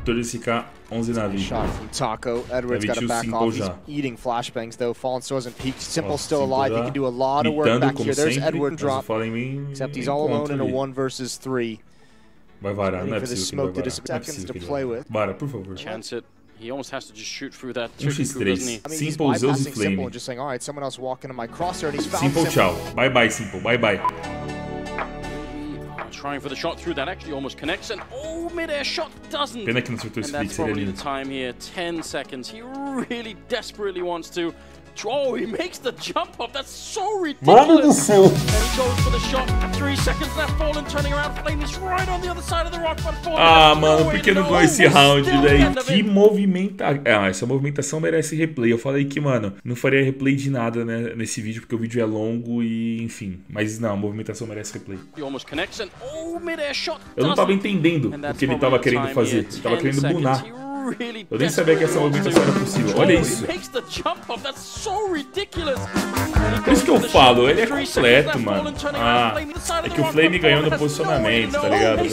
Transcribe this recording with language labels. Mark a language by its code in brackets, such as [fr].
[pt] Difícil, 14k, 11 navi. [en] Taco, Edwards got to back off. He's eating flashbangs though. Fallen Swords and Peaks. Simple still alive. He can do a lot of work back here. Sempre. There's Edward drop. Except he's all alone in a 1 versus 3. [pt] Vai varar, não é preciso que vai varar. Vara, por favor. [en] Chance it. He almost has to just shoot through that. 1v3. Simple, Zeus e Flame. Simple, simple, simple, tchau. Bye bye, Simple. Bye bye. Trying for the shot through that actually almost connects and oh, mid-air shot doesn't. [pt] Pena que não acertou esse [en] beat, [pt] seria lindo. [en] 10 seconds. He really desperately wants to. Oh, he makes the jump up. That's so ridiculous. [pt] Mano do céu. [en] And he goes for the shot. 3 seconds left. Fallen turning around. Flame is right on the other side of the rock. But Fallen. [pt] Ah, mano, por que não ganhou esse round, velho? Que movimentação. Ah, essa movimentação merece replay. Eu falei que, mano, não faria replay de nada, né, nesse vídeo, porque o vídeo é longo e enfim. Mas não, a movimentação merece replay. [en] He almost connects and oh, mid-air shot. [pt] Eu não tava entendendo o que ele tava querendo fazer. Ele tava querendo bunar. Eu nem sabia que essa movimentação era possível. Olha isso. Por isso que eu falo, ele é completo, mano. Ah, é que o Flame ganhou no posicionamento, tá ligado?